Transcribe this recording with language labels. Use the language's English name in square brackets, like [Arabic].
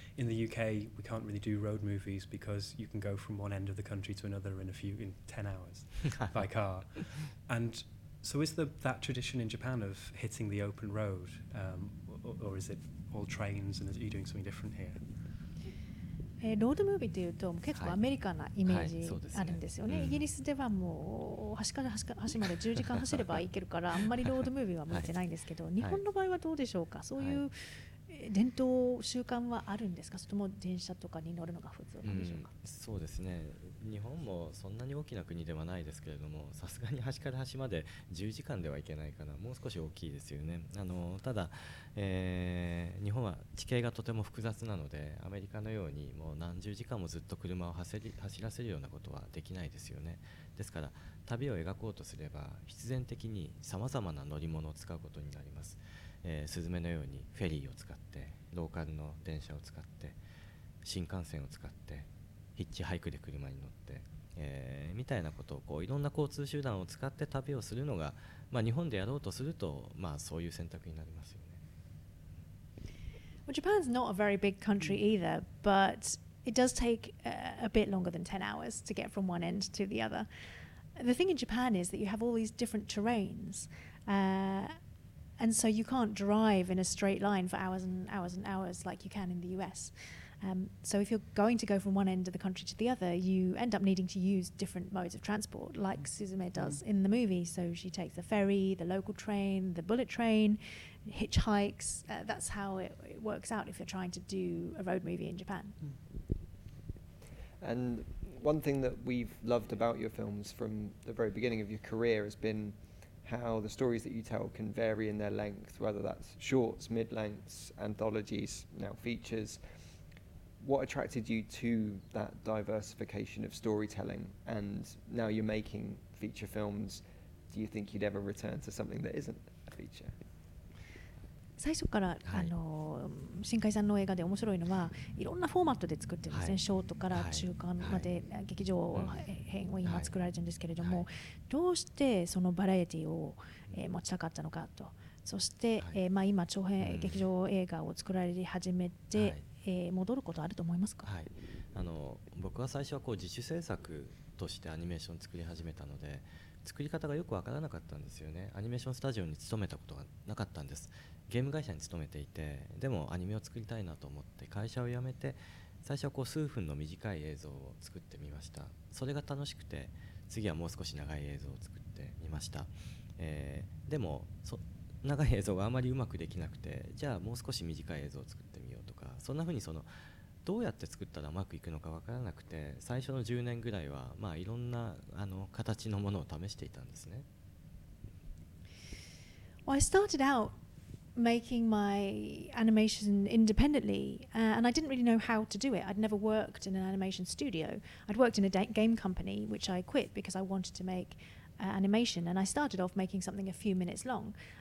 [English] In the UK, we can't really do road movies because you can go from one end of the country to another in 10 hours by car. And so is that tradition in Japan of hitting the open road, or is it all trains and are you doing something different here? [Japanese] ロードムービーというと結構アメリカなイメージあるんですよね。イギリスではもう端から端まで10時間走れば行けるからあんまりロードムービーは向いてないんですけど、日本の場合はどうでしょうか？そういう伝統習慣はあるんですか？それとも電車とかに乗るのが普通なんでしょうか？そうですね、日本もそんなに大きな国ではないですけれども、さすがに端から端まで10時間ではいけないかな、もう少し大きいですよね。ただ、日本は地形がとても複雑なので、アメリカのようにもう何十時間もずっと車を走らせるようなことはできないですよね。ですから旅を描こうとすれば必然的にさまざまな乗り物を使うことになります。スズメのようにフェリーを使って、ローカルの電車を使って、新幹線を使って、ヒッチハイクで車に乗って、みたいなことをこういろんな交通手段を使って旅をするのが、まあ、日本でやろうとすると、まあ、そういう選択になりますよね。 [English] Well, Japan's not a very big country either, but it does take a bit longer than 10 hours to get from one end to the other. The thing in Japan is that you have all these different terrains. And so you can't drive in a straight line for hours and hours and hours like you can in the US. So if you're going to go from one end of the country to the other, you end up needing to use different modes of transport, like Suzume does in the movie. So she takes the ferry, the local train, the bullet train, hitchhikes. That's how it works out if you're trying to do a road movie in Japan. And one thing that we've loved about your films from the very beginning of your career has beenhow the stories that you tell can vary in their length, whether that's shorts, mid-lengths, anthologies, now features. What attracted you to that diversification of storytelling? And now you're making feature films, do you think you'd ever return to something that isn't a feature? [Japanese] 最初から、はい、新海さんの映画で面白いのはいろんなフォーマットで作ってるんですね、はい、ショートから中間まで、はい、劇場編を今作られてるんですけれども、はい、どうしてそのバラエティを、持ちたかったのかと、そして、はい、まあ、今長編劇場映画を作られ始めて、はい、戻ることあると思いますか。はい、僕は最初はこう自主制作としてアニメーションを作り始めたので、作り方がよくわからなかったんですよね。アニメーションスタジオに勤めたことがなかったんです。ゲーム会社に勤めていて、でもアニメを作りたいなと思って会社を辞めて、最初はこう数分の短い映像を作ってみました。それが楽しくて、次はもう少し長い映像を作ってみました。でも長い映像があまりうまくできなくて、じゃあもう少し短い映像を作ってみようとか、そんな風にそのどうやって作ったらうまくいくのか分からなくて、最初の10年ぐらいは、まあ、いろんな形のものを試していたんですね。 [English] Well, I started out making my animation independently, and I didn't really know how to do it. I'd never worked in an animation studio. I'd worked in a game company, which I quit because I wanted to make animation, and I started off making something a few minutes long.